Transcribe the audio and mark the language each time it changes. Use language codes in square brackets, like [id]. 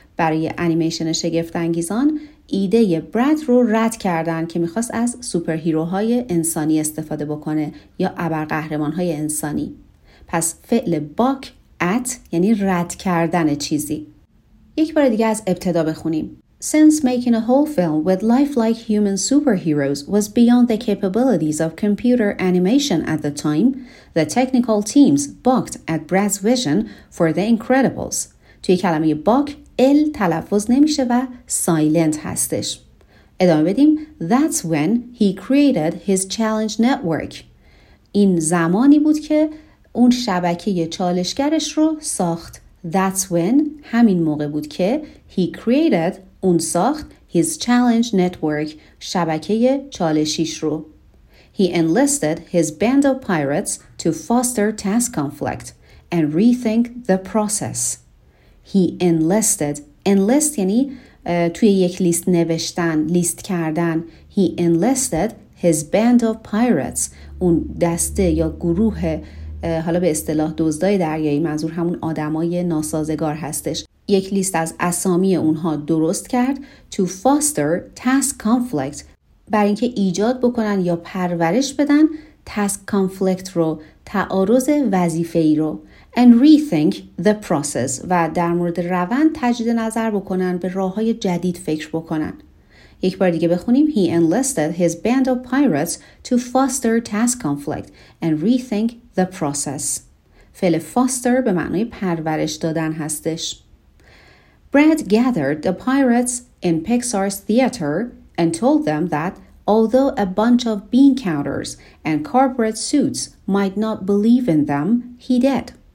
[fa] برای انیمیشن شگفت‌انگیزان، ایده براد رو رد کردن که میخواست از سوپرهیروهای انسانی استفاده بکنه یا ابرقهرمان‌های انسانی. پس فعل balk at یعنی رد کردن چیزی. یک بار دیگه از ابتدا بخونیم. [en] Since making a whole film with lifelike human superheroes was beyond the capabilities of computer animation at the time, the technical teams balked at Brad's vision for The Incredibles. [fa] توی کلمه balk ال تلفظ نمیشه و سایلنت هستش. ادامه بدیم. [en] That's when he created his challenge network. [fa] این زمانی بود که اون شبکه چالشگرش رو ساخت. [en] That's when [fa] همین موقع بود که [en] he created [fa] اون ساخت [en] his challenge network [fa] شبکه چالشیش رو. [en] He enlisted his band of pirates to foster task conflict and rethink the process. He enlisted. [fa] Enlist یعنی توی یک لیست نوشتن، لیست کردن. [en] He enlisted his band of pirates [fa] اون دسته یا گروه، حالا به اصطلاح دزدای دریایی، منظور همون آدمای ناسازگار هستش. یک لیست از اسامی اونها درست کرد [en] to foster task conflict، [fa] برای اینکه ایجاد بکنن یا پرورش بدن [en] task conflict [fa] رو، تعارض وظیفه‌ای رو. [en] And rethink the process [fa] و در مورد روند تجدید نظر بکنن، به راه‌های جدید فکر بکنن. یک بار دیگه بخونیم. [en] He enlisted his band of pirates to foster task conflict and rethink the process. [fa] فعل foster به معنی پرورش دادن هستش. [en] Brad gathered the pirates in Pixar's theater and told them that although a bunch of bean counters and corporate suits might not believe in them, he did.